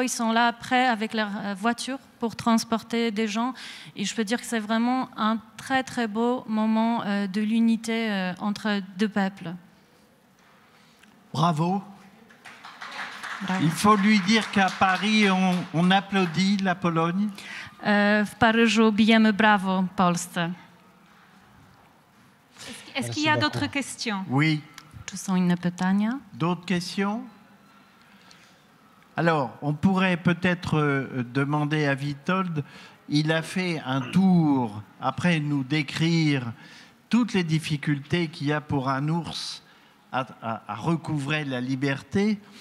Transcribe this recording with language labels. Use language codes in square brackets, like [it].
[fr] Ils sont là prêts avec leur voiture pour transporter des gens. Et je peux dire que c'est vraiment un très, très beau moment de l'unité entre deux peuples. Bravo. Il faut lui dire qu'à Paris, on applaudit la Pologne. [pl] W Paryżu bijemy brawo Polsce. [fr] Est-ce qu'il y a d'autres questions? Oui. [pl] Czy są inne pytania? [fr] D'autres questions? Alors, on pourrait peut-être demander à Witold, il a fait un tour, après nous décrire toutes les difficultés qu'il y a pour un ours à recouvrer la liberté.